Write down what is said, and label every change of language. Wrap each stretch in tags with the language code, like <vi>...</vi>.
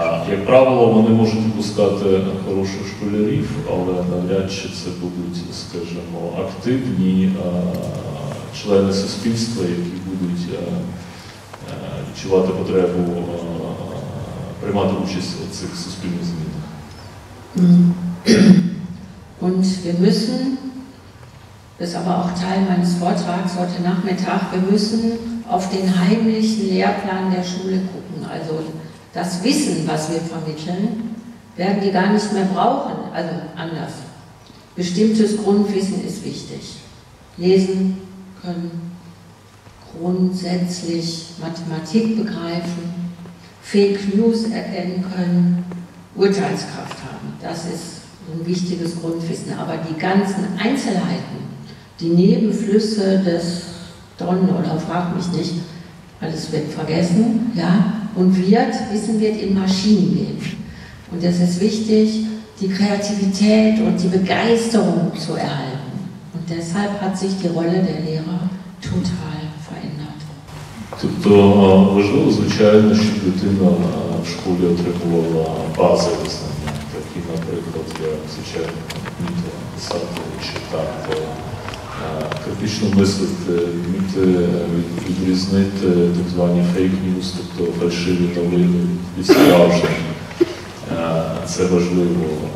<uk>Як правило, вони можуть випускати хороших школярів, але навряд чи це будуть, скажімо, активні члени суспільства, які будуть відчувати потребу приймати участь у цих суспільних змінах.</uk> <de>Und wir müssen, das ist aber auch Teil meines Vortrags heute Nachmittag, wir müssen auf den heimlichen Lehrplan der Schule gucken. Also das Wissen, was wir vermitteln, werden die gar nicht mehr brauchen. Also anders. Bestimmtes Grundwissen ist wichtig. Lesen können, grundsätzlich Mathematik begreifen, Fake News erkennen können, Urteilskraft haben. Das ist ein wichtiges Grundwissen. Aber die ganzen Einzelheiten, die Nebenflüsse des Don oder frag mich nicht, alles wird vergessen, ja, und wird, Wissen wird in Maschinen gehen. Und es ist wichtig, die Kreativität und die Begeisterung zu erhalten. Und deshalb hat sich die Rolle der Lehrer total verändert.</de> <uk>Тобто важливо, звичайно, щоб дитина в школі отримувала базові знання, такі, наприклад, для звичайно, писати, читати, критично мислити, вміти відрізнити так звані фейк-ньюс, тобто фальшиві новини і справжні. Це важливо.</uk>